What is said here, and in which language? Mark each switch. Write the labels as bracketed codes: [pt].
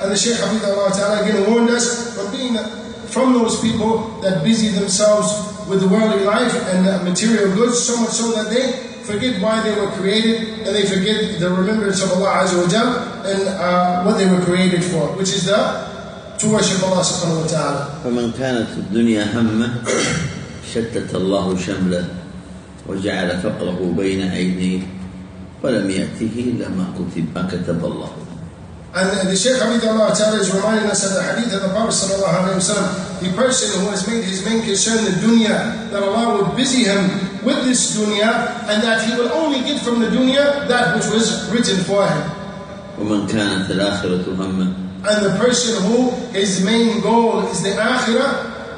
[en] And the Shaykh Hafidhahullah ta'ala again warned us from being from those people that busy themselves with the worldly life and material goods, so much so that they forget why they were created, and they forget the remembrance of Allah Azza wa Jal, and what they were created for, which is to worship Allah subhanahu wa ta'ala. [ar] فَمَنْ كَانَتُ الدُّنْيَا هَمَّةً شَتَّتَ اللَّهُ شَمْلَةً وجعل فقره بين عينيه ولم يأته إلا ما كتب الله. [en] And the Shaykh Hafidhahullah Ta'ala is reminding us of the hadith of the Prophet sallallahu alayhi wa sallam. The person who has made his main concern the dunya, that Allah would busy him with this dunya, and that he will only get from the dunya that which was written for him. [ar] ومن كانت الآخرة هما. [en] And the person who his main goal is the akhirah.